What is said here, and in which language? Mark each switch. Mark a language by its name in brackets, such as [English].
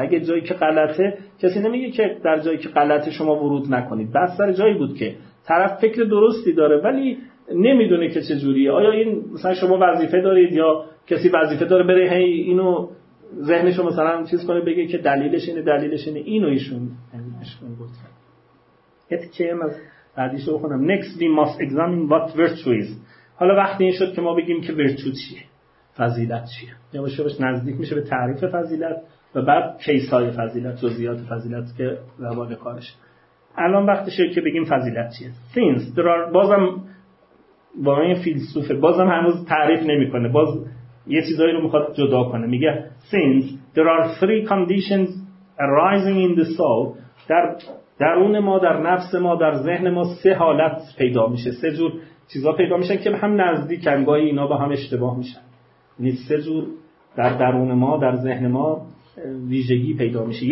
[Persian] اگه جایی که غلطه، کسی نمیگه که در جایی که غلطه شما ورود نکنید، بس سر جایی بود که طرف فکر درستی داره ولی نمیدونه که چجوریه. آیا این مثلا شما وظیفه دارید یا کسی وظیفه داره بره هی اینو ذهنشو مثلا چیز کنه بگه که دلیلش اینه، دلیلش اینه، اینو ایشون ایشون گفت. اتکم از بعدیشو بخونم. [English] Next we must examine what virtue is. [Persian] حالا وقتی این شد که ما بگیم که ورچو چیه، فضیلت چیه، یواش یواش نزدیک میشه به تعریف فضیلت و بعد کیس های فضیلت، جزئیات فضیلت که روال کارش. الان وقتشه که بگیم فضیلت چیه. [English] Since there are [Persian] بازم با این فیلسوفه، بازم هنوز تعریف نمیکنه، باز یه چیزایی رو میخواد جدا کنه، میگه [English] since there are three conditions arising in the soul، [Persian] در درون ما، در نفس ما، در ذهن ما سه حالت پیدا میشه، سه جور چیزا پیدا میشن که هم نزدیکن، گاهی اینا با هم اشتباه میشن، یعنی سه جور در درون ما، در ذهن ما ویژگی پیدا میشه.